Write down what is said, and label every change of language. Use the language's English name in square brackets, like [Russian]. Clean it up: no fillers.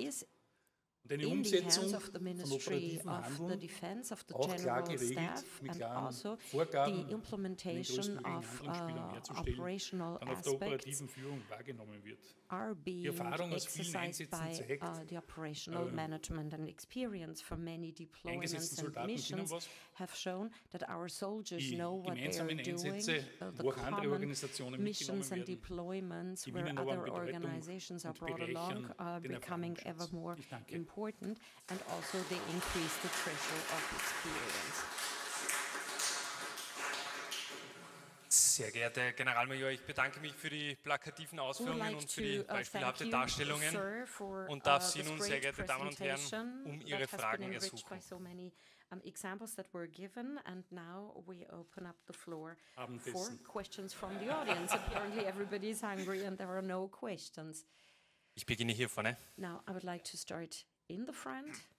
[English] is in the hands of the Ministry of the Defense, of the General Staff, and also the implementation of operational aspects are being exercised by the operational management and experience from many deployments and missions have shown that our soldiers know what they are doing, the common missions and deployments where other organizations are brought along are becoming ever more important. Important, and also they increase the pressure of experience. [German] Sehr geehrter Generalmajor, ich bedanke mich für die plakativen Ausführungen [English] like [German] und für die beispielhafte Darstellungen [English] you, sir, for, [German] und darf Sie nun, sehr geehrte Damen und Herren, um Ihre Fragen ersuchen. [English] So many, examples that were given and now we open up the floor for questions from the audience. Apparently everybody is hungry and there are no questions. [German] Ich beginne hier vorne. [English] Now I would like to start in the front.